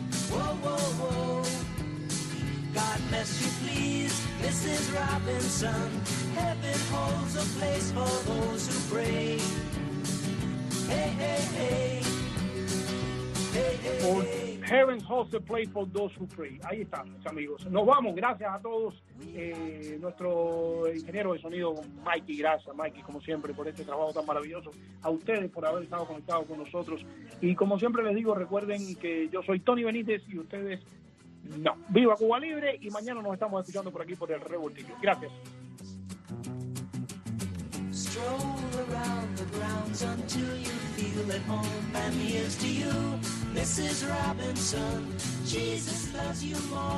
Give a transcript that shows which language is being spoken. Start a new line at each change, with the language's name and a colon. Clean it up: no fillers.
English: Whoa, whoa, whoa. God bless you, please, Mrs. Robinson. Heaven holds a place for those who pray. Hey, hey, hey. Hey, hey, hey. Heaven's host to play for those who pray.
Spanish: Ahí está, mis amigos. Nos vamos. Gracias a todos. Nuestro ingeniero de sonido, Mikey. Gracias, Mikey, como siempre, por este trabajo tan maravilloso. A ustedes por haber estado conectados con nosotros. Y como siempre les digo, recuerden que yo soy Tony Benítez y ustedes no. ¡Viva Cuba Libre! Y mañana nos estamos escuchando por aquí por el Revoltillo. Gracias.
English: Stroll around the grounds until you feel at home. And here's to you, Mrs. Robinson. Jesus loves you more.